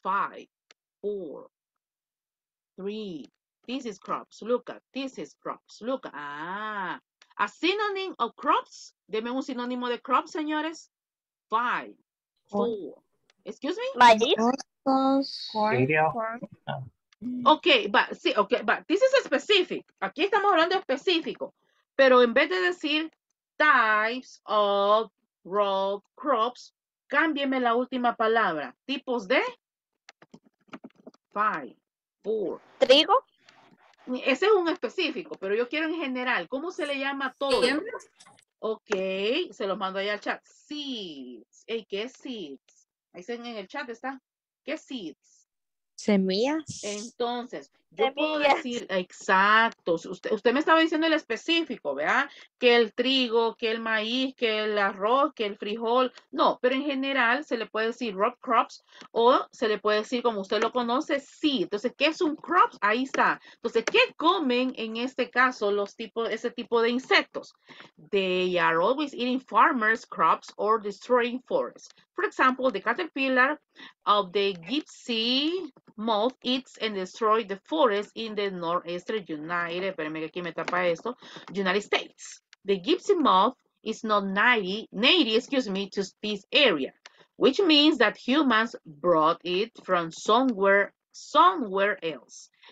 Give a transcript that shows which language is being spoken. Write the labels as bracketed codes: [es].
[en] 5, 4, 3. This is crops. Look at this is crops. Look. A synonym of crops. [es] Deme un sinónimo de crops, señores. [en] Five. Four. Excuse me? My corn. Okay, but sí, okay, but this is a specific. [es] Aquí estamos hablando específico. Pero en vez de decir [en] types of row crops, [es] cámbieme la última palabra. Tipos de [en] five, four. [es] Trigo. Ese es un específico, pero yo quiero en general. ¿Cómo se le llama todo? Siembra. Ok, se lo mando ahí al chat. Seeds. Hey, ¿qué es seeds? Ahí en el chat está. ¿Qué seeds? Semillas. Entonces, yo puedo decir, exacto, usted me estaba diciendo el específico, ¿verdad? Que el trigo, que el maíz, que el arroz, que el frijol. No, pero en general se le puede decir row crops o se le puede decir, como usted lo conoce, sí. Entonces, ¿qué es un crop? Ahí está. Entonces, ¿qué comen en este caso los tipos, ese tipo de insectos? [en] They are always eating farmers' crops or destroying forests. For example, the caterpillar of the gypsy moth eats and destroys the forest in the northeastern United, [es] espérenme que aquí me tapa esto, [en] United States. The gypsy moth is not native to this area, which means that humans brought it from somewhere else.